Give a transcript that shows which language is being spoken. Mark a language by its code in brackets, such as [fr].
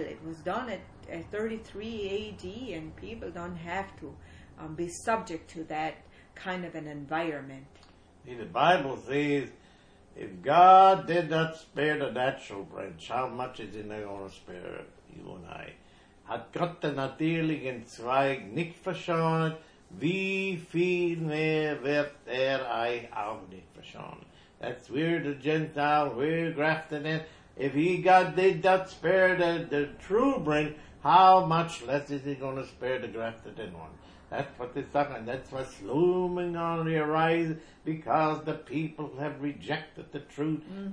[en] It was done at 33 A.D., and people don't have to be subject to that kind of an environment. See, the Bible says, if God did not spare the natural branch, how much is he not going to spare you and I? [de] Hat Gott den natürlichen Zweig nicht verschont, wie viel mehr wird euch auch nicht verschont? [en] That's where the Gentile, we're grafting in. If he God did not spare the true branch, how much less is he going to spare the grafted in one? That's what they're talking. That's what's looming on the horizon, because the people have rejected the truth. Mm-hmm.